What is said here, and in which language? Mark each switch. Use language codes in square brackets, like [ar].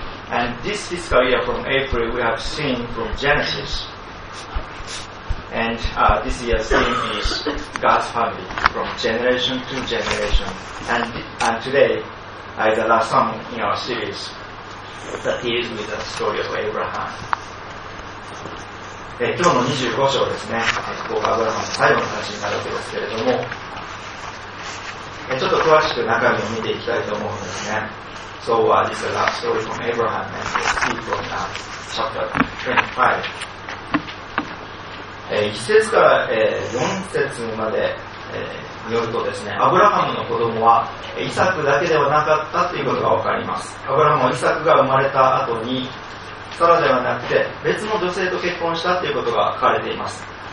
[en] And this fiscal year from April, we have seen from Genesis. And this year's theme is God's family from generation to generation. And today is the last song in our series that deals with the story of Abraham. [ja] 今日の25章ですね。ここがアブラハムの最後の話になるわけですけれども、ちょっと詳しく中身を見ていきたいと思うんですね。 [en] So, this is the last story from Abraham and the people in chapter 25. [ja] 1節から4節まで、によるとですね、アブラハムの子供はイサクだけではなかったということがわかります。アブラハムはイサクが生まれた後に、サラではなくて別の女性と結婚したということが書かれています。